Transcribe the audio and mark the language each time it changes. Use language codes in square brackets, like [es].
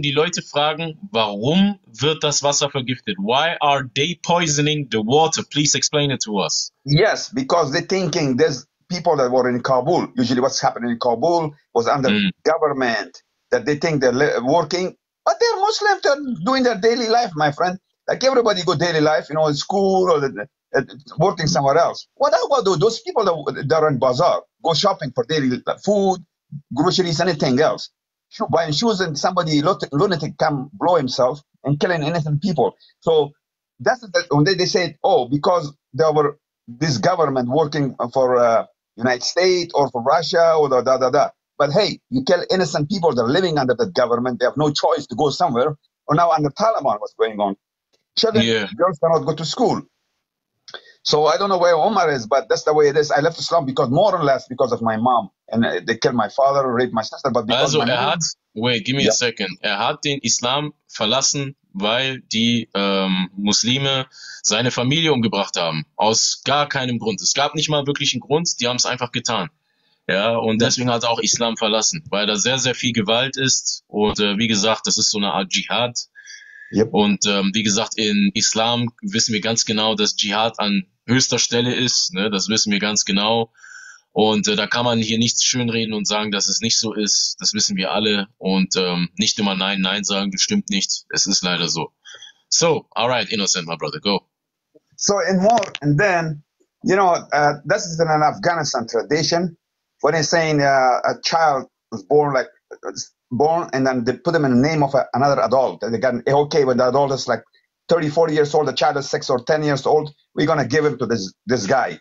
[de] Die Leute fragen, warum wird das Wasser vergiftet? [en] Why are they poisoning the water? Please explain it to us. Yes, because they're thinking there's people that were in Kabul. Usually, what's happening in Kabul was under government. That they think they're working, but they're Muslim. They're doing their daily life, my friend. Like everybody, go daily life. You know, in school or working somewhere else. What about those people that are in bazaar, go shopping for daily food, groceries, anything else? Buying shoes and somebody lunatic come blow himself and killing innocent people. So that's the, when they said, oh, because there were this government working for United States or for Russia or da da da. But hey, you kill innocent people that are living under that government. They have no choice to go somewhere. Or now under Taliban, what's going on? Children, girls cannot go to school. So I don't know where Omar is, but that's the way it is. I left Islam because more or less because of my mom. And they killed my father, raped my sister, but because also, of my Give me a second. [de] Er hat den Islam verlassen, weil die Muslime seine Familie umgebracht haben. Aus gar keinem Grund. Es gab nicht mal wirklich einen Grund. Die haben es einfach getan. Ja, und deswegen hat er auch Islam verlassen, weil da sehr, sehr viel Gewalt ist. Und wie gesagt, das ist so eine Art Dschihad. [en] Yep. [de] Und wie gesagt, in Islam wissen wir ganz genau, dass Dschihad an höchster Stelle ist. Ne? Das wissen wir ganz genau. Und da kann man hier nichts schönreden und sagen, dass es nicht so ist. Das wissen wir alle. Und nicht immer Nein, Nein sagen, das stimmt nicht. Es ist leider so. [en] So, all right, innocent, my brother, go. So, in war, and then, you know, this is an Afghanistan tradition. When they're saying a child was born, like, born, and then they put them in the name of another adult. And they got, okay, when the adult is like 30, 40 years old, the child is 6 or 10 years old, we're going to give him to this guy.